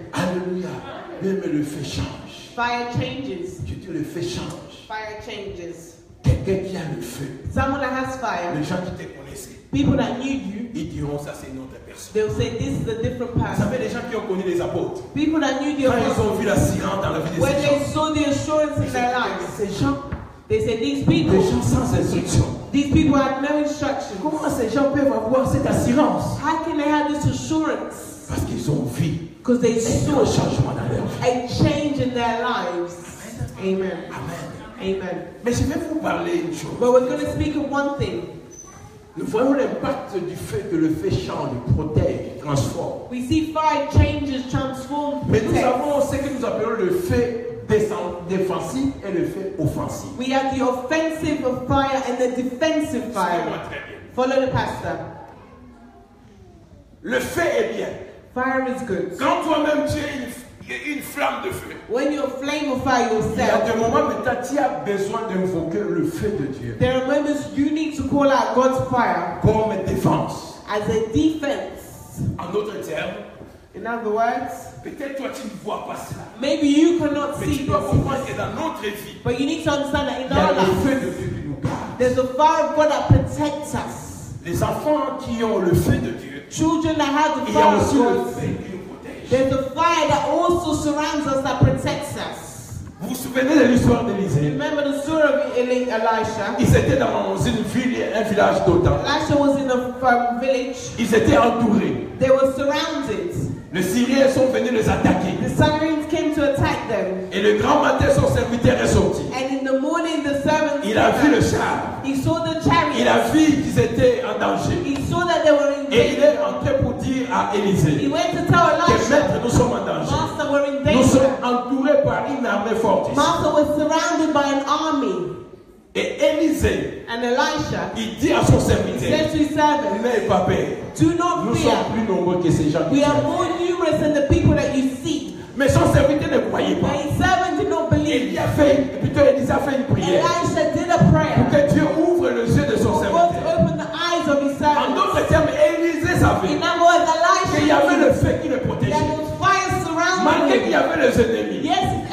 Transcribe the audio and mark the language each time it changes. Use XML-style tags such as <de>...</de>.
<fr>Alléluia. Même le feu change.</fr> <en>Fire changes.</en> <fr>Que tu le feu change.</fr> <en>Fire changes.</en> <fr>Quelqu'un qui a le feu.</fr> <en>Someone that has fire.</en> <fr>Les gens qui te connaissaient.</fr> <en>People that knew you.</en> <fr>Ils diront ça c'est une autre personne.</fr> <en>They'll say this is a different person.</en> <fr>Vous savez les gens qui ont connu les apôtres.</fr> <en>People that knew the apostles.</en> <fr>Quand ils ont vu l'assurance dans la vie des gens.</fr> <en>When they saw the assurance in their lives.</en> <fr>Ces gens.</fr> <en>They said these people.</en> <fr>Des gens sans instruction.</fr> <en>These people had no instructions.</en> <fr>Comment ces gens peuvent avoir cette assurance?</fr> <en>How can they have this assurance?</en> <fr>Parce qu'ils ont vu.</fr> <en>Because they saw</en> <fr>a changement dans leur vie.</fr> <en>A change in their lives. Amen. Amen. Amen.</en> <fr>Mais je vais vous parler une chose.</fr> <en>But we're going to speak of one thing.</en> <fr>Nous voyons l'impact du fait que le feu change, protège, transforme. We see fire changes, transforms. Mais nous avons ce que nous appelons le feu défensif et le feu offensif.</fr> <en>We have the offensive of fire and the defensive fire. Follow the pastor.</en> <fr>Le feu est bien.</fr> <en>Fire is good.</en> <fr>Quand toi-même tu es une flamme de feu.</fr> <en>When you're a flame of fire yourself.</en> <fr>Il y a des moments où tu as besoin d'invoquer le feu de Dieu.</fr> <en>There are moments you need to call out God's fire.</en> <fr>Comme défense.</fr> <en>As a defense.</en> <fr>En d'autres termes.</fr> <en>In other words.</en> <fr>Peut-être toi tu ne vois pas ça.</fr> <en>Maybe you cannot see.</en> <fr>Mais tu dois comprendre que dans notre vie.</fr> <en>But you need to understand that in our lives.</en> <fr>Il y a le feu de Dieu qui nous garde.</fr> <en>There's a fire of God that protects us.</en> <fr>Les enfants qui ont le feu de Dieu.</fr> <en>Children that have the fire of God. There's a fire that also surrounds us that protects us.</en> <fr>Vous vous souvenez de l'histoire d'Élisée?</fr> <en>Remember the story of Elisha?</en> <fr>Ils étaient dans une ville, un village d'autant.</fr> <en>Elisha was in a village.</en> <fr>Ils étaient entourés.</fr> <en>They were surrounded.</en> <fr>Les Syriens sont venus les attaquer.</fr> <en>The Syrians came to attack them.</en> <fr>Et le grand matin, son serviteur est sorti.</fr> <en>And in the morning, the servant.</en> <fr>Il a vu le char.</fr> <en>He saw the chariot.</en> <fr>Il a vu qu'ils étaient en danger.</fr> <en>He saw that they were in danger.</en> <fr>Et il est entré pour dire à Élisée.</fr> <en>He went to tell Elisha.</en> <fr>Tes maîtres, nous sommes en danger.</fr> <en>Master, we're in danger.</en> <fr>Nous sommes entourés par une armée forte.</fr> <en>Master was surrounded by an army.</en> <fr>Et Élisée,</fr> <en>and Elisha,</en> <fr>il dit à son serviteur,</fr> <en>said to his servant,</en> <fr>n'aie pas peur.</fr> <en>Do not</en> <fr>nous</fr> <en>fear.</en> <fr>Sommes plus nombreux que ces gens.</fr> <en>We are more numerous than the people that you see.</en> <fr>Mais son serviteur ne croyait pas.</fr> <en>But his servant did not believe.</en> <fr>Et il a fait, et plutôt Élisée a fait une prière.</fr> <en>Elisha did a prayer.</en> <fr>Pour que Dieu ouvre les yeux de son serviteur.</fr> <en>To open the eyes of his servant.</en> <fr>En d'autres termes, Élisée savait.</fr> <en>In other words, Elisha,</en> <fr>qu'il y avait le feu qui le protégeait. Malgré qu'il y avait les ennemis.</fr> <en>Yes,</en>